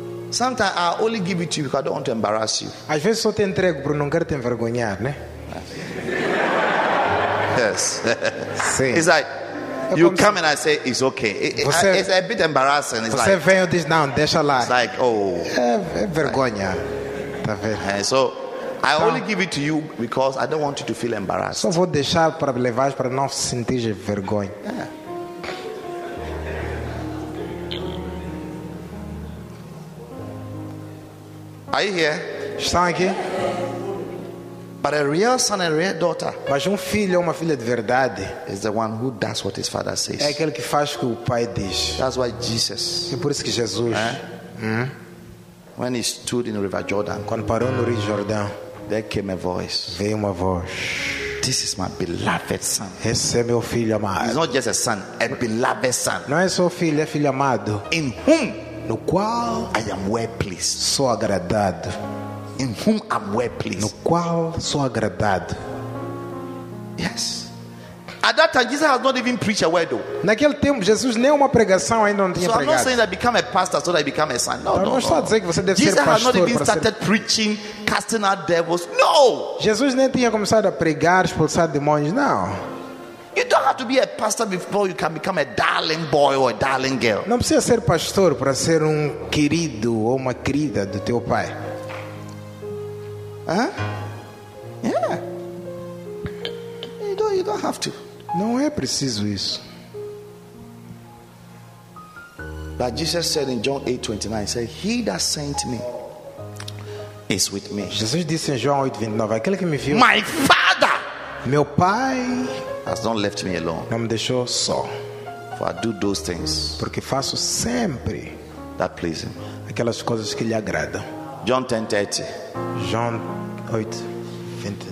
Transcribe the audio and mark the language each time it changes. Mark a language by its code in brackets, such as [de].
[en] Sometimes I only give it to you because I don't want to embarrass you. [pt] Às vezes só te entrego porque não quero te envergonhar, né? [en] Yes. [pt] Sim. [en] It's like you come and I say it's okay. It's a bit embarrassing. It's [pt] você [en] like, [pt] vem e diz não, deixa lá. [en] It's like oh. [pt] É vergonha. Tá vendo? [en] So I only give it to you because I don't want you to feel embarrassed. [pt] Só vou deixar para levar para não sentir vergonha. [en] Yeah. Are you here? [pt] Estão aqui? [en] But a real son and a real daughter. [pt] Mas filho ou uma filha de verdade [en] is the one who does what his father says. [pt] É aquele que faz o que o pai diz. [en] That's why Jesus. [pt] É por isso que Jesus. [en] Eh? When he stood in the River Jordan. [pt] Quando parou no Rio Jordão. [en] There came a voice. [pt] Veio uma voz. [en] This is my beloved son. [pt] Esse é meu filho amado. [en] He's not just a son, a beloved son. [pt] Não é só filho, é filho amado. [en] In whom? [pt] No qual [en] I am well pleased. [pt] Sou agradado. [en] In whom I'm well pleased. [pt] No qual sou agradado. [en] Yes. At that time, Jesus has not even preached a word though. [pt] Naquele tempo, Jesus nem uma pregação ainda não tinha [en] so [pt] pregado. [en] So I'm not saying that I become a pastor so that I become a son. No, [pt] não, [en] no, [pt] estou [en] no. [pt] A dizer que você deve [en] Jesus [pt] ser pastor [en] has not even [pt] para [en] started [pt] ser... [en] preaching, casting out devils. No. [pt] Jesus nem tinha começado a pregar, expulsar demônios. Não. [en] You don't have to be a pastor before you can become a darling boy or a darling girl. [pt] Não precisa ser pastor para ser querido ou uma querida do teu pai. [en] Huh? Yeah. You don't have to. [pt] Não é preciso isso. [en] But Jesus said in John 8:29, said, "He that sent me is with me." [pt] Jesus disse em João 8:29, aquele que me viu. [en] My Father. [pt] Meu pai. [en] Has not left me alone. [pt] Não me deixou só. [en] For I do those things. [pt] Porque faço sempre. [en] That please him. [pt] Aquelas coisas que lhe agradam. [en] John 10:30. John 8:20.